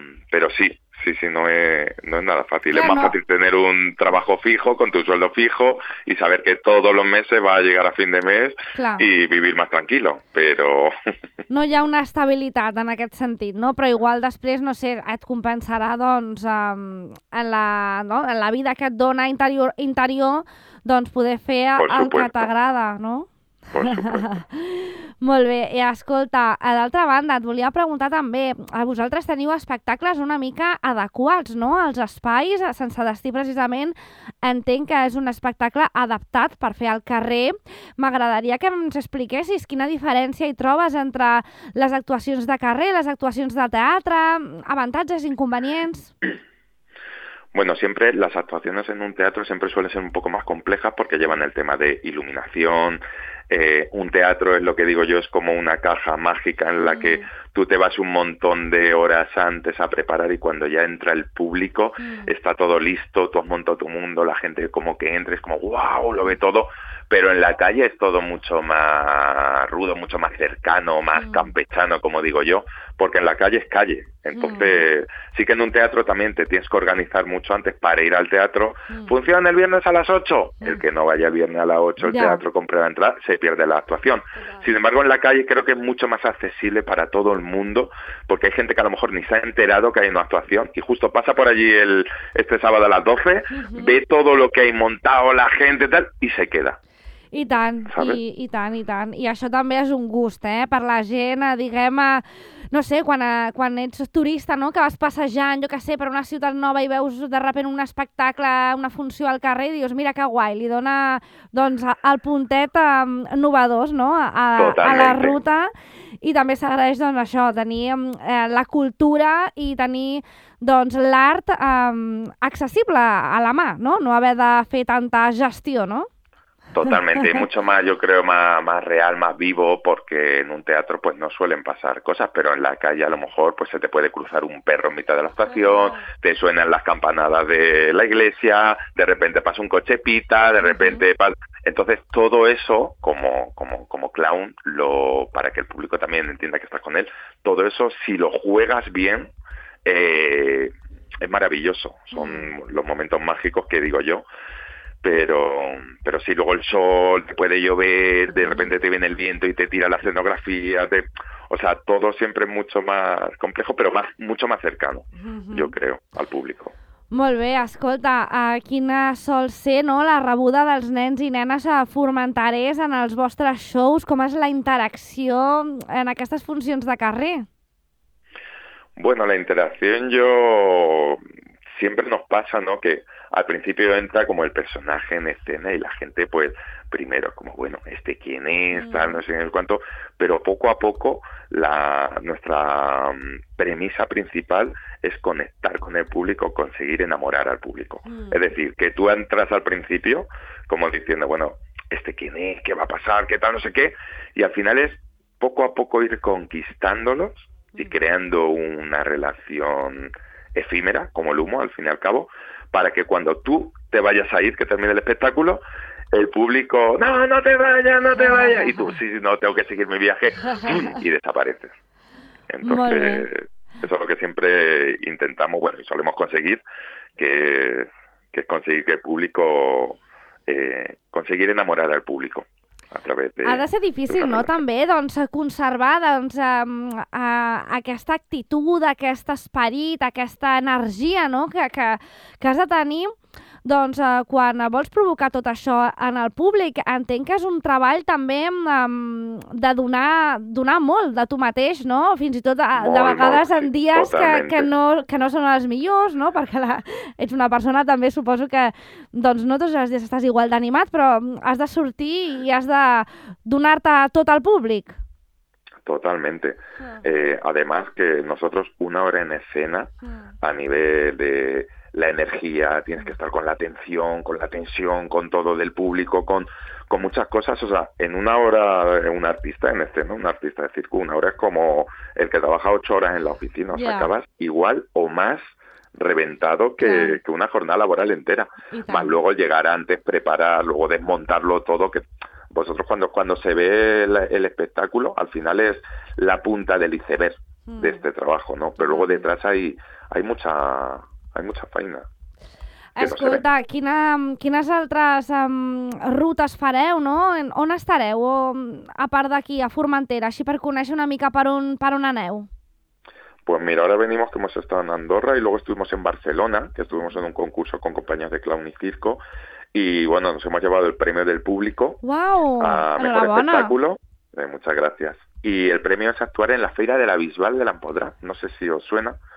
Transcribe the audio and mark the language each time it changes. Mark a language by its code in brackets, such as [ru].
[es] Pero sí. Sí, no es nada fácil. Claro, es más fácil tener un trabajo fijo, con tu sueldo fijo y saber que todos los meses va a llegar a fin de mes y vivir más tranquilo, pero... [ca] No hi ha una estabilitat en aquest sentit, no? Però igual després, no sé, et compensarà doncs, en la vida que et dona interior doncs poder fer el que t'agrada, no? Molt bé, i escolta, d'altra banda, et volia preguntar també, vosaltres teniu espectacles una mica adequats, no?, als espais, sense destí precisament, entenc que és un espectacle adaptat per fer al carrer. M'agradaria que ens expliquessis quina diferència hi trobes entre les actuacions de carrer, les actuacions de teatre, avantatges, inconvenients... [es] Bueno, siempre las actuaciones en un teatro siempre suelen ser un poco más complejas porque llevan el tema de iluminación, Un teatro es lo que digo yo, es como una caja mágica en la que tú te vas un montón de horas antes a preparar y cuando ya entra el público está todo listo, tú has montado tu mundo, la gente como que entra, es como wow, lo ve todo, pero en la calle es todo mucho más rudo, mucho más cercano, más campechano, como digo yo, porque en la calle es calle. Entonces, sí que en un teatro también te tienes que organizar mucho antes para ir al teatro. ¿Funciona el viernes a las 8? El que no vaya el viernes a las 8, el teatro compra la entrada, se pierde la actuación. Sin embargo, en la calle creo que es mucho más accesible para todo el mundo, porque hay gente que a lo mejor ni se ha enterado que hay una actuación, y justo pasa por allí este sábado a las 12, ve todo lo que hay montado, la gente y tal, y se queda. [ca] I tant, i tant. I això també és un gust, per la gent, diguem, no sé, quan ets turista, no?, que vas passejant, jo què sé, per una ciutat nova i veus [es] de repente [ca] un espectacle, una funció al carrer, i dius, mira que guai, li dona, doncs, el puntet novedós, no?, a la ruta. I també s'agraeix, doncs, això, tenir la cultura i tenir, doncs, l'art accessible a la mà, no?, no haver de fer tanta gestió, no? [es] Totalmente, y mucho más, yo creo, más real, más vivo, porque en un teatro pues no suelen pasar cosas, pero en la calle a lo mejor pues se te puede cruzar un perro en mitad de la estación, te suenan las campanadas de la iglesia, de repente pasa un coche pita, de repente pasa... Entonces todo eso, como clown, para que el público también entienda que estás con él, todo eso, si lo juegas bien, es maravilloso, son los momentos mágicos que digo yo. Pero si luego el sol, te puede llover, de repente te viene el viento y te tira la escenografía, o sea, todo siempre es mucho más complejo, pero más, mucho más cercano, yo creo, al público. [ca] Molt bé, escolta, quina sol ser, no?, la rebuda dels nens i nenes a Formenterès en els vostres shows, com és la interacció en aquestes funcions de carrer? [es] Bueno, la interacció siempre nos pasa, ¿no?, que al principio entra como el personaje en escena y la gente, pues, primero, como, bueno, ¿este quién es? Tal, no sé en el cuánto, pero poco a poco nuestra premisa principal es conectar con el público, conseguir enamorar al público. Es decir, que tú entras al principio como diciendo, bueno, ¿este quién es? ¿Qué va a pasar? ¿Qué tal? No sé qué. Y al final es poco a poco ir conquistándolos y creando una relación efímera, como el humo, al fin y al cabo, para que cuando tú te vayas a ir, que termine el espectáculo, el público, no te vayas, y tú, sí, no, tengo que seguir mi viaje, y desapareces. Entonces, eso es lo que siempre intentamos, bueno, y solemos conseguir, que es conseguir que el público, conseguir enamorar al público. [ca] Ha de ser difícil, no?, també, doncs, conservar, doncs, aquesta actitud, aquest esperit, aquesta energia, no?, que has de tenir, doncs, quan vols provocar tot això en el públic. Entenc que és un treball també de donar molt de tu mateix, no?, fins i tot de vegades en dies que no són els millors, no?, perquè ets una persona també, suposo que, doncs, no tots els dies estàs igual d'animat, però has de sortir i has de donar-te tot al públic. [es] Totalmente. Además que nosotros una hora en escena a nivel de la energía, tienes que estar con la atención, con la tensión, con todo del público, con muchas cosas. O sea, en una hora, un artista en escena, un artista de circo, una hora es como el que trabaja 8 horas en la oficina. O sea, acabas igual o más reventado que una jornada laboral entera. Más luego llegar antes, preparar, luego desmontarlo todo. Que vosotros cuando se ve el espectáculo, al final es la punta del iceberg de este trabajo, ¿no? Pero luego detrás hay mucha feina. [ca] Escolta, no, quines altres rutes fareu, no? On estareu, a part d'aquí, a Formentera, així per conèixer una mica per on aneu? [es] Pues mira, ahora venimos, que hemos estado en Andorra y luego estuvimos en Barcelona, que estuvimos en un concurso con compañías de clown y circo, y bueno, nos hemos llevado el premio del público. ¡Wow! A mejor espectáculo. Muchas gracias. Y el premio es actuar en la Feira de la Bisbal de Lampodrà. No sé si os suena.